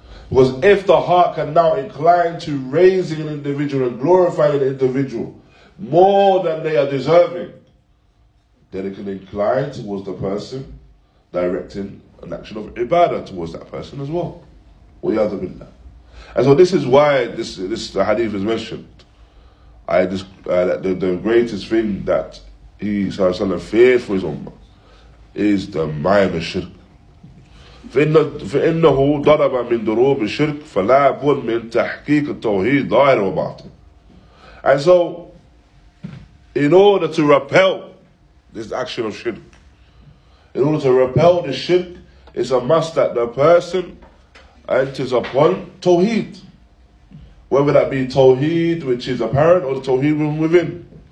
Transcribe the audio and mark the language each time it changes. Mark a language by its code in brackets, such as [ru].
[en] Because if the heart can now incline to raising an individual and glorifying an individual more than they are deserving, then it can incline towards the person directing an action of ibadah towards that person as well. Wa'yadu billah. And so this is why this hadith is mentioned. The greatest thing that he, sallallahu alayhi wa sallam, feared for his ummah is the minor shirk. [ar] فإنه ضرب من دروب الشرك فلا بد من تحقيق التوحيد ظاهر وباطن. [en] And so, in order to repel this action of shirk, in order to repel the shirk, it's a must that the person enters upon tawheed, whether that be tawheed which is apparent or the tawheed within.